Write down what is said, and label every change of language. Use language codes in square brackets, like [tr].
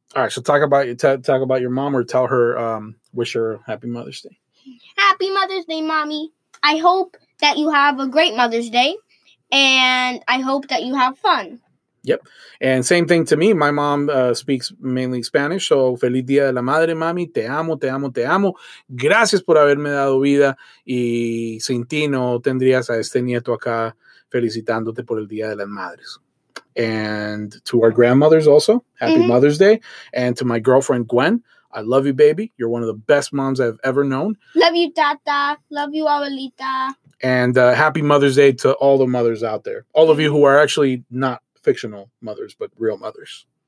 [en] All right, so talk about your mom, or tell her, wish her happy Mother's Day. Happy Mother's Day, Mommy. I hope that you have a great Mother's Day. And I hope that you have fun. Yep. And same thing to me. My mom speaks mainly Spanish. [es] So, feliz día de la madre, mami. Te amo, te amo, te amo. Gracias por haberme dado vida. Y sin ti no tendrías a este nieto acá felicitándote por el día de las madres. [en] And to our grandmothers also, happy Mother's Day. And to my girlfriend, Gwen, I love you, baby. You're one of the best moms I've ever known. Love you, tata. Love you, abuelita. And happy Mother's Day to all the mothers out there. All of you who are actually not fictional mothers, but real mothers.